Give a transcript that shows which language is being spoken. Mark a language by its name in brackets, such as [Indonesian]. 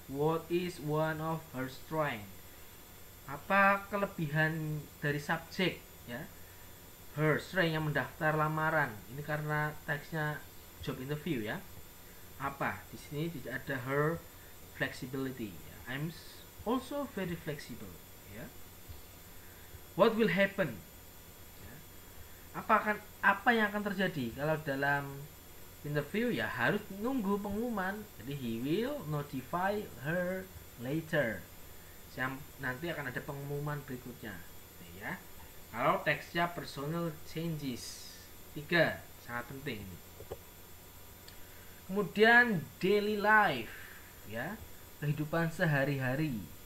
[English] What is one of her strength? [Indonesian] Apa kelebihan dari subjek ya? [English] Her strength [Indonesian] yang mendaftar lamaran ini karena teksnya job interview ya. Apa di sini tidak ada [English] her flexibility? I'm also very flexible ya. What will happen? [Indonesian] Apa yang akan terjadi kalau dalam interview ya, harus nunggu pengumuman. [English] Jadi he will notify her later. [Indonesian] Nanti akan ada pengumuman berikutnya ya. Kalau teksnya personal changes, tiga sangat penting. Kemudian daily life, ya, kehidupan sehari-hari.